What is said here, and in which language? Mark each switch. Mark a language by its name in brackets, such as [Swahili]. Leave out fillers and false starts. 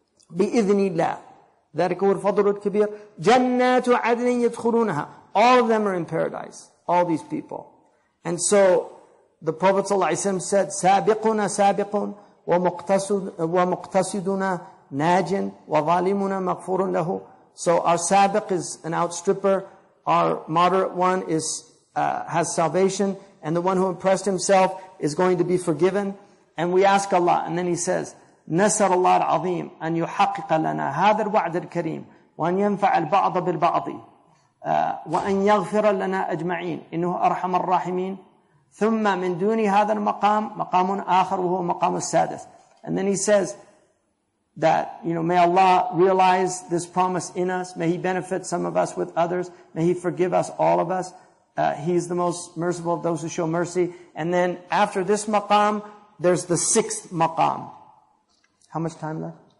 [Arabic] بِإِذْنِ اللَّهِ ذلك هو الفضل الكبير جنات عدن يدخلونها [English] all of them are in paradise all these people and so the Prophet صلى الله عليه وسلم said [Arabic] سابقنا سابق ومقتصدنا ناج وظالمنا مغفور له [English] so our sabiq is an outstripper our moderate one has salvation and the one who impressed himself is going to be forgiven. And we ask Allah, and then he says, [Arabic] نسأل الله العظيم أن يحقق لنا هذا الوعد الكريم وأن ينفع البعض بالبعض وأن يغفر لنا أجمعين إنه أرحم الراحمين ثم من دون هذا المقام مقام آخر وهو مقام السادس. [English] And then he says that, you know, may Allah realize this promise in us. May He benefit some of us with others. May He forgive us, all of us. He is the most merciful of those who show mercy. And then after this maqam, there's the sixth maqam. How much time left?